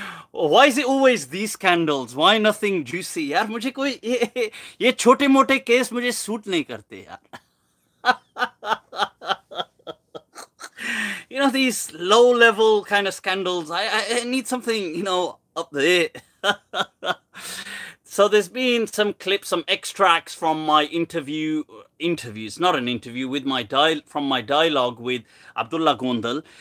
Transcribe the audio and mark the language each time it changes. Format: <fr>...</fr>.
<en>Why is it always these scandals? Why nothing juicy?</en> <ur>یار، مجھے کوئی یہ چھوٹے موٹے case مجھے suit نہیں کرتے یار۔</ur> <en>You know, these low level kind of scandals. I need something, you know, up there. So there's been some clips, some extracts from my from my dialogue with Abdullah Gondal.</en>